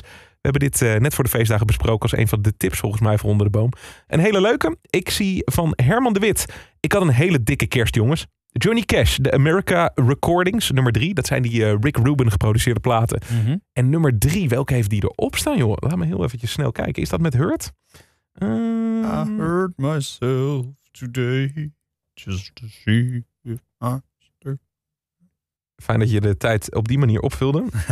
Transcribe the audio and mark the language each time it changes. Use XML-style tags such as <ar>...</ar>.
<nl>We hebben dit net voor de feestdagen besproken als een van de tips volgens mij voor onder de boom. Een hele leuke. Ik zie van Herman de Wit. Ik had een hele dikke kerst, jongens. Johnny Cash, de America Recordings, nummer 3. Dat zijn die Rick Rubin geproduceerde platen. Mm-hmm. En nummer 3, welke heeft die erop staan, joh? Laat me heel eventjes snel kijken. Is dat met Hurt?</nl> <en>I hurt myself today just to see if I stir.</en> <nl>Fijn dat je de tijd op die manier opvulde.</nl>